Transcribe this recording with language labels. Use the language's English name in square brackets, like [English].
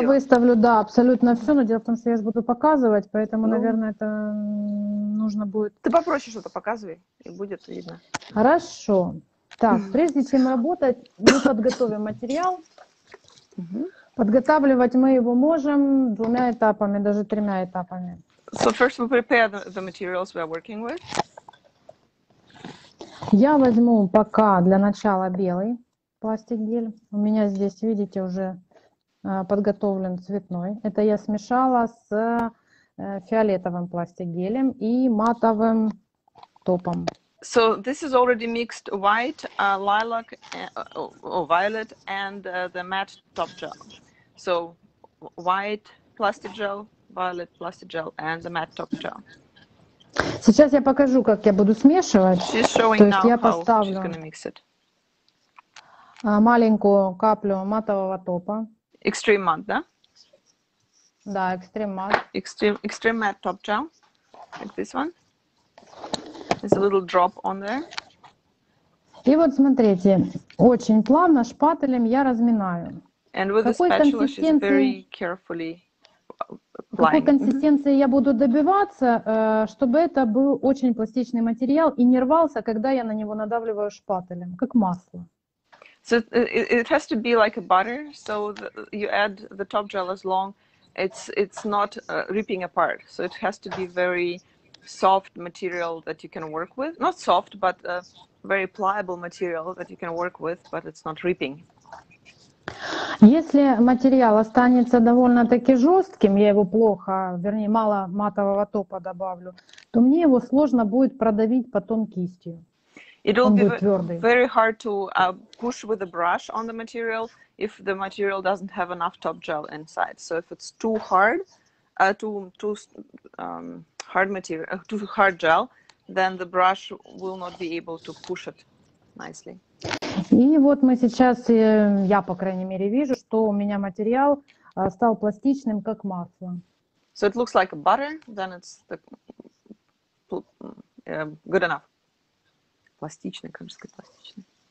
[Russian] Я выставлю, да, абсолютно все, но дело в том, что я же буду показывать, поэтому, наверное, это нужно будет... Ты попроще что-то показывай, и будет видно. Хорошо. Так, прежде чем работать, мы подготовим материал. Подготавливать мы его можем двумя этапами, даже тремя этапами. [English] So first we prepare the materials we are working with. [Russian] Я возьму пока для начала белый пластик гель. У меня здесь, видите, уже подготовлен цветной. Это я смешала с фиолетовым пластик гелем и матовым топом. [English] So this is already mixed white, lilac, or violet, and the matte top gel. So white plastic gel, violet plastic gel, and the matte top gel. [Russian] Сейчас я покажу, как я буду смешивать. [English] She's showing [Russian] То есть [English] now [Russian] я поставлю [English] how she's mix it. [Russian] Маленькую каплю матового топа. [English] Extreme matte, [Russian] да? Да, [English] extreme matte. Extreme matte top gel, like this one. There's a little drop on there. [Russian] И вот смотрите, очень плавно шпателем я разминаю. [English] And with [Russian] какой [English] the spatula, she's very carefully applying. [Russian] Какой консистенции я буду добиваться, чтобы это был очень пластичный материал и не рвался, когда я на него надавливаю шпателем, как масло. [English] So it has to be like a butter, so you add the top gel as long, it's not ripping apart, so it has to be very soft material that you can work with, not soft, but a very pliable material that you can work with, but it's not ripping. [Russian] Если материал останется довольно-таки жестким, я его плохо, вернее, мало матового топа добавлю, то мне его сложно будет продавить потом кистью. [English] It will [Russian] Он [English] be [Russian] будет твердый. [English] Very hard to push with a brush on the material if the material doesn't have enough top gel inside. So if it's too hard, hard material, too hard gel, then the brush will not be able to push it nicely. [Russian] И вот мы сейчас, я по крайней мере вижу, что у меня материал стал пластичным, как масло. [English] So it looks like a butter, then it's the, good enough. [Russian] Пластичный, как же сказать, пластичный.